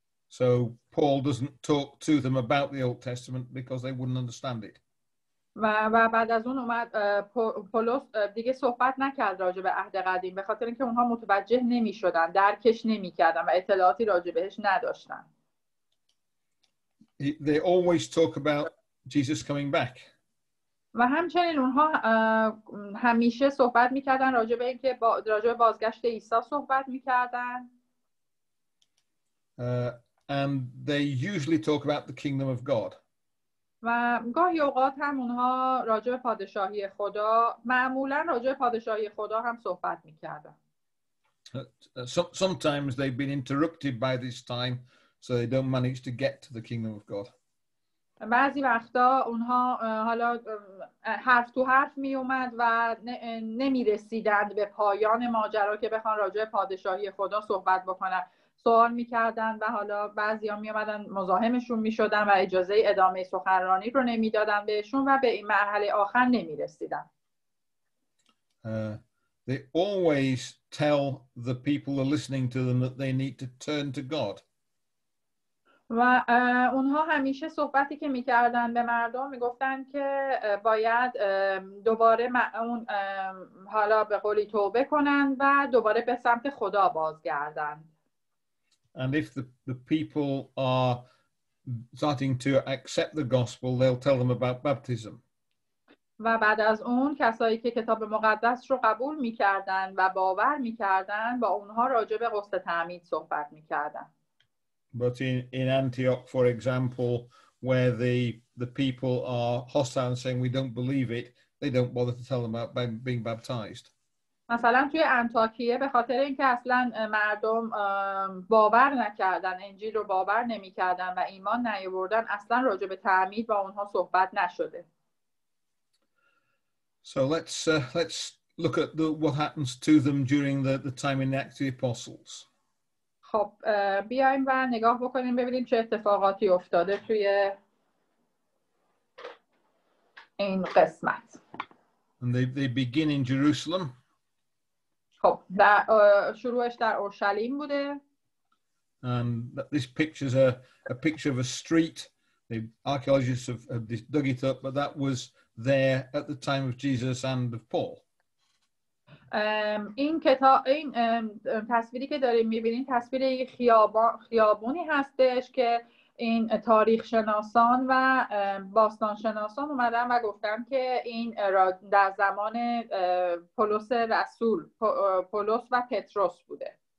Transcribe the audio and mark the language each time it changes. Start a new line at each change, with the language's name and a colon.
English: So Paul doesn't talk to them about the Old Testament because they wouldn't understand it.
Persian: و بعد از اون اومد پولس دیگه صحبت نکرد راجع به عهد قدیم به خاطر اینکه اونها متوجه نمی‌شدن درکش نمی‌کردن و اطلاعاتی راجع بهش نداشتن.
English: They always talk about Jesus coming back.
Persian: و همچنین اونها همیشه صحبت می‌کردن راجع به اینکه راجع به بازگشت عیسی صحبت می‌کردن.
English: And they usually talk about the kingdom of God.
Persian: و گاهی اوقات هم اونها راجع به پادشاهی خدا معمولا راجع به پادشاهی خدا هم صحبت میکردن.
English: Sometimes they've been interrupted by this time so they don't manage to get to the kingdom of God.
Persian: بعضی وقتا اونها حالا حرف تو حرف می اومد و نمی رسیدند به پایان ماجرا که بخوان راجع به پادشاهی خدا صحبت بکنن. سوال میکردن و حالا بعضی ها میامدن مزاحمشون میشدن و اجازه ادامه سخنرانی رو نمیدادن بهشون و به این مرحله آخر نمیرسیدن.
English: They always tell the people who are listening to them that they need to turn to God.
Persian: و اونها همیشه صحبتی که میکردن به مردم میگفتن که باید دوباره اون حالا به قولی توبه کنن و دوباره به سمت خدا بازگردن.
English: And if the people are starting to accept the gospel, they'll tell them about baptism.
Persian: و بعد از اون کسایی که کتاب مقدس رو قبول میکردن و باور میکردن با اونها راجع به غسل تعمید صحبت میکردن.
English: But in Antioch, for example, where the people are hostile and saying we don't believe it, they don't bother to tell them about being baptized.
Persian: مثلا توی انتاکیه به خاطر اینکه اصلا مردم باور نکردن انجیل رو باور نمی‌کردن و ایمان نیاوردن اصلا راجع به تعمید با اونها صحبت نشده.
English: So let's look at what happens to them during the time in Acts of the Apostles.
Persian: خب بیایم و نگاه بکنیم ببینیم چه اتفاقاتی افتاده توی این قسمت.
English: And they begin in Jerusalem.
Persian: خب شروعش در اورشلیم بوده.
English: And this picture is a picture of a street. The archaeologists have dug it up, but that was there at the time of Jesus and of Paul.
Persian: این کتاب این تصویری که داریم می‌بینین تصویر خیابونی هستش که این تاریخ شناسان و باستان شناسان اومدن و گفتن که این در زمان پولس رسول پولس و پتروس بوده.